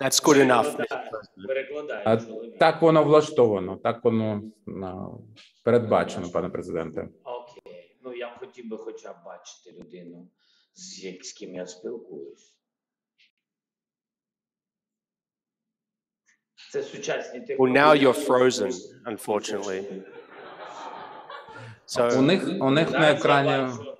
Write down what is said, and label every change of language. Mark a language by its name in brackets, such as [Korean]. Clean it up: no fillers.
[English] That's good enough. [Ukrainian] Перекладає. Так воно влаштовано, так воно передбачено, пане президенте. Окей. Ну, я хотів би хоча б бачити людину, з ким я спілкуюсь. Це сучасні технології. [English] Well, now you're frozen, unfortunately. [Ukrainian] So, у них на екрані...